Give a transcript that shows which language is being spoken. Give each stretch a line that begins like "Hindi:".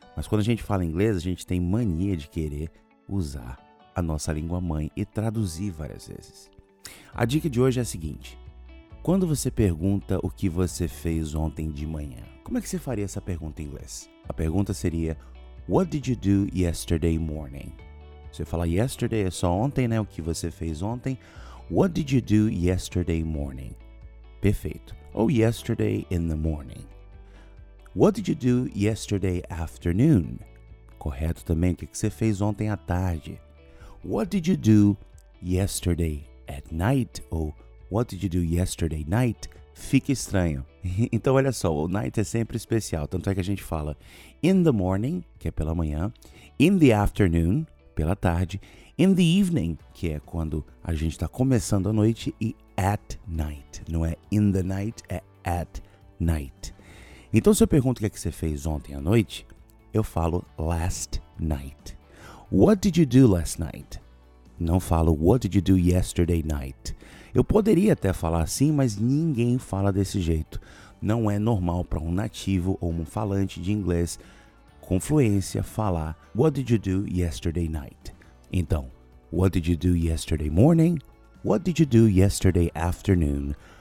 Portuguese: Mas quando a gente fala inglês, a gente tem mania de querer usar a nossa língua mãe e traduzir várias vezes. A dica de hoje é a seguinte: quando você pergunta o que você fez ontem de manhã, como é que você faria essa pergunta em inglês? A pergunta seria:
English: What did you do yesterday morning?
Portuguese: Você fala yesterday, é só ontem, né? O que você fez ontem?
English: What did you do yesterday morning?
Portuguese: Perfeito.
English: Ou yesterday in the morning. What did you do yesterday afternoon?
Portuguese: Correto também. O que você fez ontem à tarde?
English: What did you do yesterday at night? Ou what did you do yesterday night?
Portuguese: Fica estranho. Então, olha só, o night é sempre especial. Tanto é que a gente fala in the morning, que é pela manhã, in the afternoon, pela tarde, in the evening, que é quando a gente está começando a noite, e at night. Não é
English: in the night, é at night.
Portuguese: Então, se eu pergunto o que é que você fez ontem à noite, eu falo
English: last night. What did you do last night?
Portuguese: Não falo
English: what did you do yesterday night.
Portuguese: Eu poderia até falar assim, mas ninguém fala desse jeito. Não é normal para um nativo ou um falante de inglês com fluência falar
English: What did you do yesterday night?
Portuguese: Então,
English: what did you do yesterday morning? What did you do yesterday afternoon?